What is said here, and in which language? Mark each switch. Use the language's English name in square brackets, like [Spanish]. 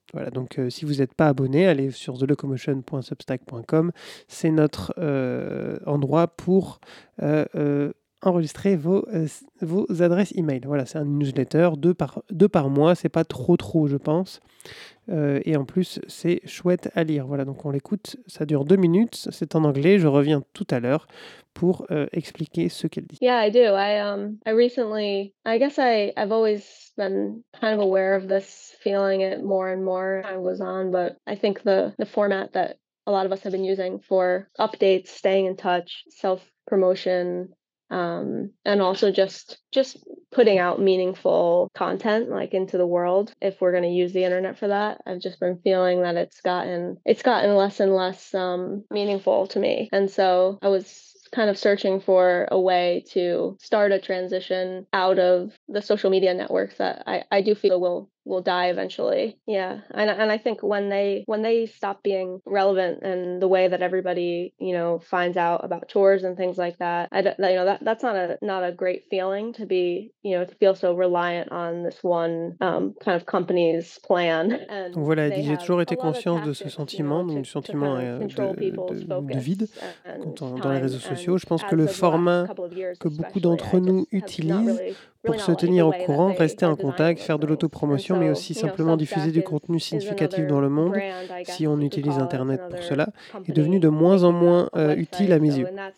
[French] Voilà, donc si vous n'êtes pas abonné, allez sur thelocomotion.substack.com, c'est notre endroit pour enregistrer vos adresses email. Voilà, c'est un newsletter deux par mois, c'est pas trop je pense, et en plus c'est chouette à lire. Voilà, donc on l'écoute, ça dure 2 minutes, c'est en anglais, je reviens tout à l'heure pour expliquer ce qu'elle dit. [English] Yeah, I do. I recently, I guess I've always been kind of aware of this, feeling it more and more I was on, but I think the format that a lot of us have been using for updates, staying in touch, self-promotion, and also just putting out meaningful content like into the world, if we're going to use the internet for that. I've just been feeling that it's gotten less and less meaningful to me. And so I was kind of searching for a way to start a transition out of the social media networks that I do feel will die eventually. Yeah. And I think when they stop being relevant, and the way that everybody, you know, finds out about tours and things like that, that's not a great feeling to be, you know, to feel so reliant on this one kind of company's plan. [French] Donc voilà, j'ai toujours été consciente de ce sentiment, donc du sentiment de vide dans les réseaux sociaux. Je pense que le format que beaucoup d'entre nous utilisent pour se tenir au courant, rester en contact, faire de l'autopromotion, mais aussi simplement diffuser du contenu significatif dans le monde, si on utilise Internet pour cela, est devenu de moins en moins utile à mes yeux.